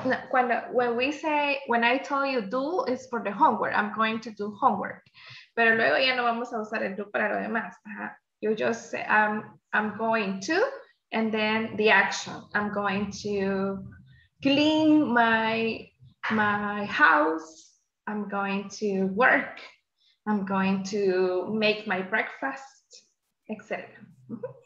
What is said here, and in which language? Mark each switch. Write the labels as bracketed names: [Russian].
[English] When I told you do is for the homework, I'm going to do homework. [Spanish] Pero luego ya no vamos a usar el do para lo demás. Uh-huh. [English] You just say I'm going to, and then the action. I'm going to clean my house. I'm going to work. I'm going to make my breakfast, etc. Mm-hmm.